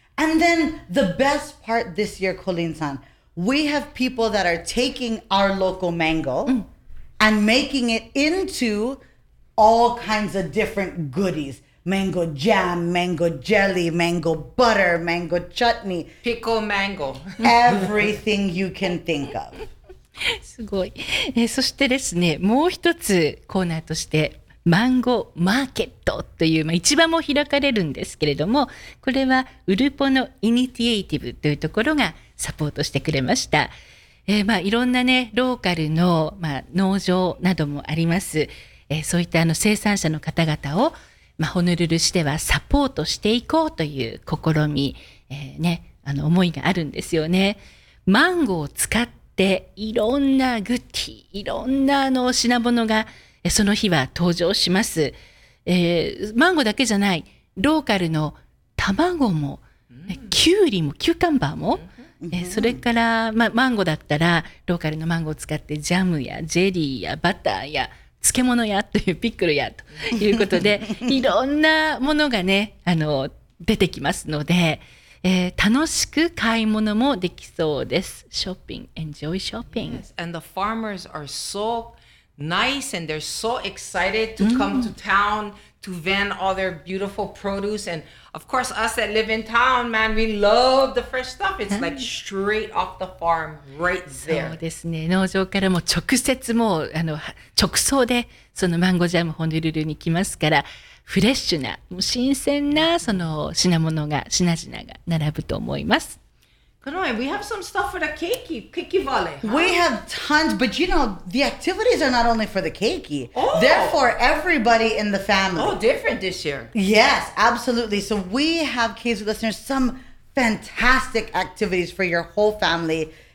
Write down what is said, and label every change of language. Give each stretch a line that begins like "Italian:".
English: And then the best part this year, Colleen-san, we have people that are taking our local mango and making it into all kinds of different goodies. Mango jam, mango jelly, mango butter, mango chutney. Pickle mango. Everything you can think of.
Japanese: すごい。そしてですね、もう一つコーナーとして、マンゴーマーケットという、まあ、市場も開かれるんですけれども、これはウルポのイニティエイティブというところがサポートしてくれました。まあ、いろんなね、ローカルの、まあ、農場などもあります。そういったあの生産者の方々を、まあ、ホノルルしてはサポートしていこうという試み、ね、あの思いがあるんですよね。マンゴーを使って、でいろんなグッティ、いろんなあの品物がその日は登場します、マンゴーだけじゃないローカルの卵もキュウリもキューカンバーも、それから、ま、マンゴーだったらローカルのマンゴーを使ってジャムやジェリーやバターや漬物やというピクルやということでいろんなものがねあの出てきますので楽しく買い物もできそうです。
English: Shopping, enjoy shopping. Yes, and the farmers are so nice and they're so excited to come to town to vend all their beautiful produce. And of course, us that live in town, man, we love the fresh stuff. It's like straight off the farm, right there.
Japanese: そうですね。農場からも直接もうあの直送でそのマンゴージャムホノルルに来ますから。フレッシュな、もう新鮮なその品物が、品々が並ぶと思います。この前、
English: we have some stuff for the cakey, cakey valley.、 Huh? We have tons, but you know, the activities are not only for the cakey.、Oh. They're for everybody in the family. Oh, different this year. Yes, absolutely. So we have, KZ listeners, some fantastic activities for your whole family.